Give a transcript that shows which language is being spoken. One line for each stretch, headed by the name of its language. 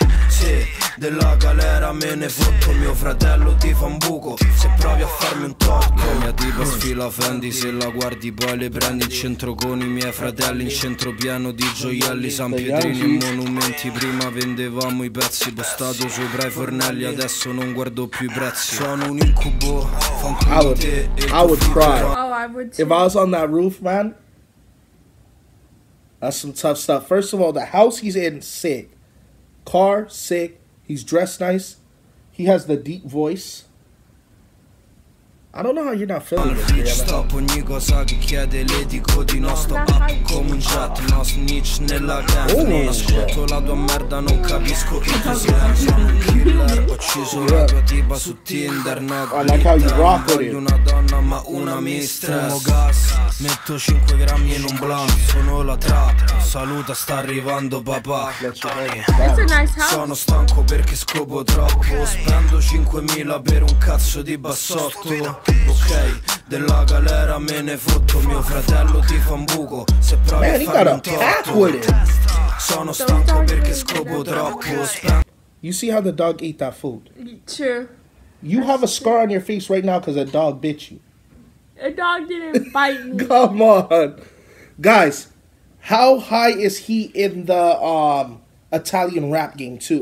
Italian: Sì, della galera me ne fotto, mio fratello ti fa un buco, se provi a farmi un torto. La mia tipa sfila Fendi, se la guardi poi le prendi in centro con i miei fratelli, in centro pieno di gioielli, San Pietrini, monumenti, prima vendevamo i pezzi, postato sopra i fornelli, adesso non guardo più i prezzi. Sono un incubo, fanculo te e tu.
English: I would cry. Oh, I would too. If I was on that roof, man. That's some tough stuff. First of all, the house he's in, sick. Car, sick. He's dressed nice. He has the deep voice. I don't know how you're not feeling this.
Italian: Yeah, stop ogni cosa che chiede, le dico di no. Stop up come un jet, no snitch nella gang. Non ascolto la tua merda, non capisco chi tu sei. Sono un killer, ho ucciso la tua tipa su Tinder.
English: I like how you rock with it.
Italian: Una donna ma una mistress. Gas, metto 5 grammi in un blunt. Sono la trap, saluta, sta arrivando papà.
English: That's a nice house.
Italian: Sono stanco perché scopo troppo. Spendo 5.000 per un cazzo di bassotto. Ok, della galera me ne fotto, mio fratello ti fa un buco, se provi a fare un torto. Sono stanco perché scopo troppo.
English: You see how the dog ate that food? True. You have a scar on your face right now because a dog bit you. A dog didn't bite me. Come on. Guys, how high is he in the Italian rap game too?